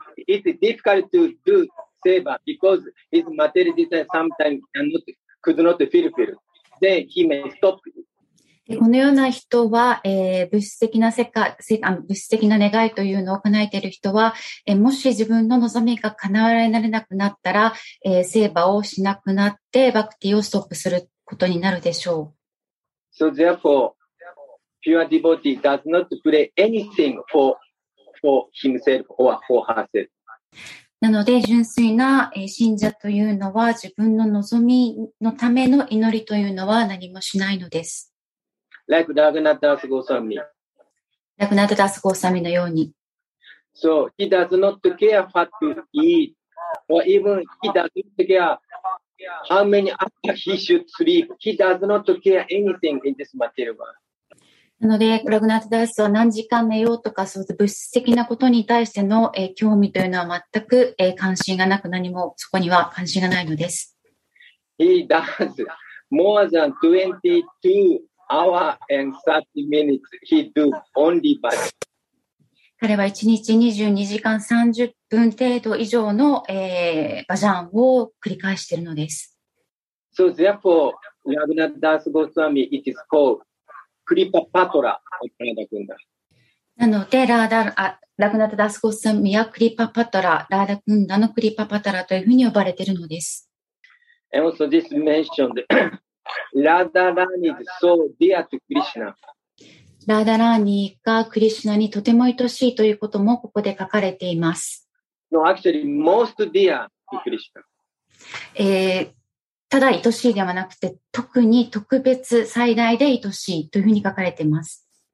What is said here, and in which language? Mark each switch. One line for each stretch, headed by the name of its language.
English: It's difficult to do seva because his material desire sometimes cannot. Could not feel it. Then he may stop.
Japanese: このような人は、物質的な世界、物質的な願いというのを叶えている人は、もし自分の望みが叶えられなくなったら、セーバーをしなくなってバクティをストップすることになるでしょう。
English: So therefore, pure devotee does not pray anything for himself or for herself.
Japanese: なので純粋な信者というのは自分の望みのための祈りというのは何もしないのです。
English: Like Raghunath Das Goswami.
Japanese: Raghunath Das Goswami のように。
English: So he does not care what to eat, or even he does not care how many hours he should sleep. He does not care anything in this material world.
Japanese: なので、ラグナタダースは何時間寝ようとか、その物質的なことに対しての興味というのは全く関心がなく、何もそこには関心がないのです。
English: He does more than 22 hours and 30 minutes. He do only by.
Japanese: 彼は1日22時間30分程度以上のバジャンを繰り返しているのです。
English: So therefore, ラグナタダースゴスワミ it is called.
Japanese: クリパパトラ、ラーダクンダ。なので、ラグナタダスゴスワミはクリパパトラ、ラーダクンダのクリパパトラというふうに呼ばれているのです。
English: And also this mentioned, Radharani is so dear to Krishna.
Japanese: ラーダラーニがクリシナにとても愛しいということもここで書かれています。
English: No, actually, most dear to Krishna.
Japanese: ただ愛しいではなくて、特に特別最大で愛しいというふうに書かれています。